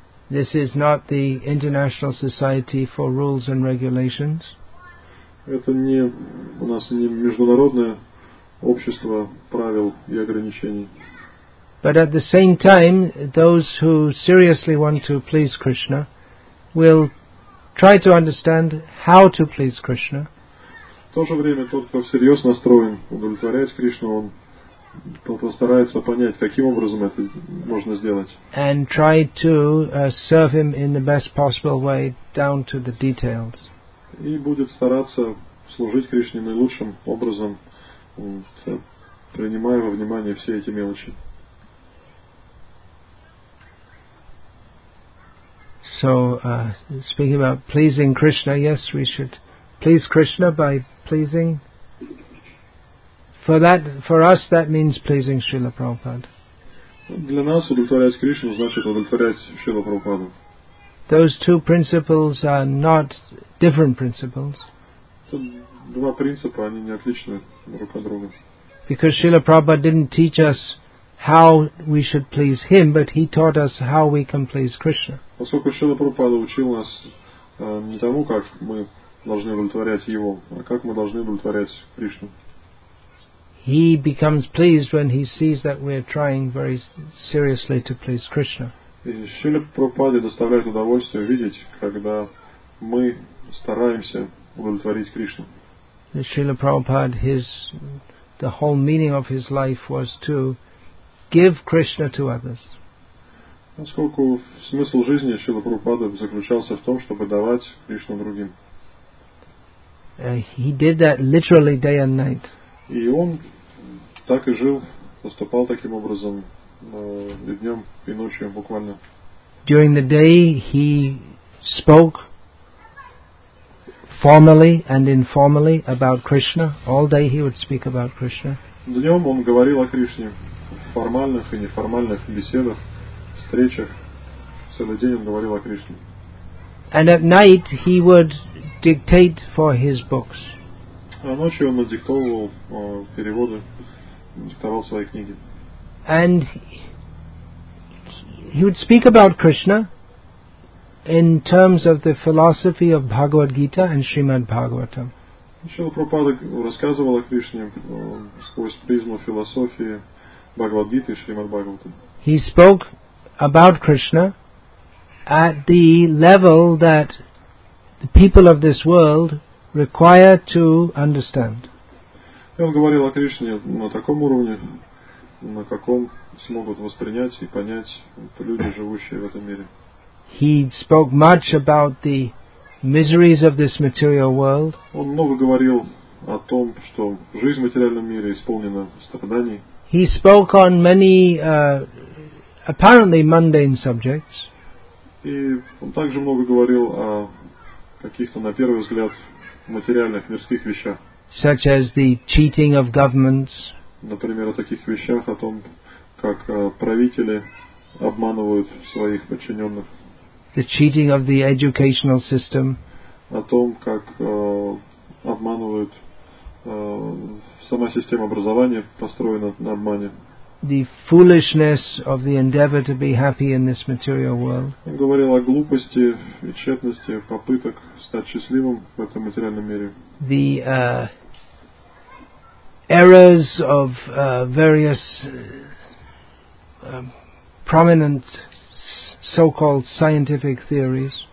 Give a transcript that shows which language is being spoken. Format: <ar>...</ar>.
<en>This is not the International Society for Rules and Regulations.</en> <ru>Это не у нас не международное общество правил и ограничений.</ru> <en>But at the same time, those who seriously want to please Krishna will try to understand how to please Krishna.</en> <ru>В то же время тот, кто всерьез настроен удовлетворять Кришну, он постарается понять, каким образом это можно сделать.</ru> <en>And try to serve him in the best possible way, down to the details.</en> <ru>И будет стараться служить Кришне наилучшим образом, принимая во внимание все эти мелочи.</ru> <en>So, speaking about pleasing Krishna, yes, we should please Krishna by pleasing. For us, that means pleasing Srila Prabhupada.</en> <ru>Для нас удовлетворять Кришну значит удовлетворять Шрила Прабхупаду.</ru> <en>Those two principles are not different principles.</en> <ru>Это два принципа, они не отличны друг от друга.</ru> <en>Because Srila Prabhupada didn't teach us how we should please him, but he taught us how we can please Krishna.</en> <ru>Поскольку Шрила Прабхупада учил нас не тому, как мы должны удовлетворять его, а как мы должны удовлетворять Кришну.</ru> <en>He becomes pleased when he sees that we are trying very seriously to please Krishna.</en> <ru>И Шрила Прабхупаде доставляет удовольствие видеть, когда мы стараемся удовлетворить Кришну.</ru> <en>Шрила Прабхупада, the whole meaning of his life was to give Krishna to others.</en> <ru>Поскольку смысл жизни Шрилы Прабхупады заключался в том, чтобы давать Кришну другим.</ru> <en>He did that literally day and night.</en> <ru>И он так и жил, поступал таким образом и днем, и ночью, буквально.</ru> <en>During the day he spoke formally and informally about Krishna. All day he would speak about Krishna.</en> <ru>Днем он говорил о Кришне в формальных и неформальных беседах, встречах. Целый день он говорил о Кришне.</ru> <en>And at night he would dictate for his books.</en> <ru>А ночью он надиктовывал переводы, диктовал свои книги.</ru> <en>And he would speak about Krishna in terms of the philosophy of Bhagavad Gita and Srimad Bhagavatam.</en> <ru>Шрила Прабхупада рассказывал о Кришне сквозь призму философии Бхагавад Гиты и Шримад Бхагаватам.</ru> <en>He spoke about Krishna at the level that the people of this world require to understand.</en> <ru>И он говорил о Кришне на таком уровне, на каком смогут воспринять и понять люди, живущие в этом мире.</ru> <en>He spoke much about the miseries of this material world.</en> <ru>Он много говорил о том, что жизнь в материальном мире исполнена страданий.</ru> <en>He spoke on many apparently mundane subjects.</en> <ru>И он также много говорил о каких-то, на первый взгляд, материальных мирских вещах.</ru> <en>Such as the cheating of governments.</en> <ru>Например, о таких вещах, о том, как правители обманывают своих подчиненных.</ru> <en>The cheating of the educational system.</en> <ru>О том, как обманывают сама система образования построена на обмане.</ru> <en>The foolishness of the endeavor to be happy in this material world.</en> <ru>Он говорил о глупости и тщетности попыток стать счастливым в этом материальном мире.</ru> <en>The errors of various prominent so-called scientific theories.</en>